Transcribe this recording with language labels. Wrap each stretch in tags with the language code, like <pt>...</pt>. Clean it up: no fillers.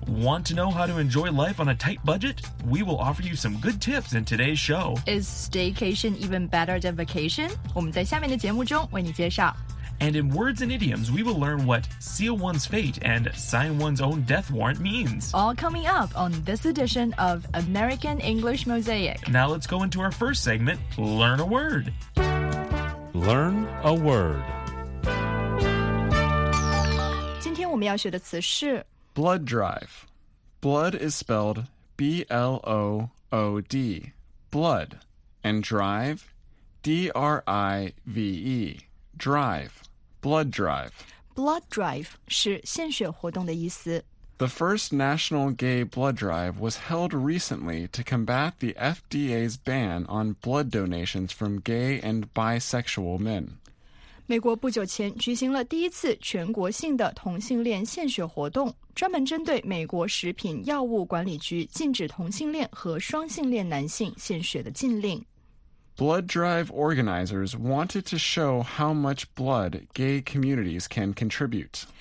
<en>Want to know how to enjoy life on a tight budget? We will offer you some good tips in today's show. Is staycation even better than vacation?</en> <zh>我们在下面的节目中为你介绍。</zh> <en>And in words and idioms, we will learn what seal one's fate and sign one's own death warrant means. All coming up on this edition of American English Mosaic. Now let's go into our first segment, Learn a Word. Learn a Word.</en> <zh>今天我们要学的词是</zh> <en>Blood drive. Blood is spelled B-L-O-O-D. Blood. And drive, D-R-I-V-E. Drive. Blood drive.</en> <zh>Blood drive 是献血活动的意思。</zh> <en>The first national gay blood drive was held recently to combat the FDA's ban on blood donations from gay and bisexual men.</en> <zh>美国不久前举行了第一次全国性的同性恋献血活动，专门针对美国食品药物管理局禁止同性恋和双性恋男性献血的禁令。</zh> <en>Blood drive organizers wanted to show how much blood gay communities can contribute.</en>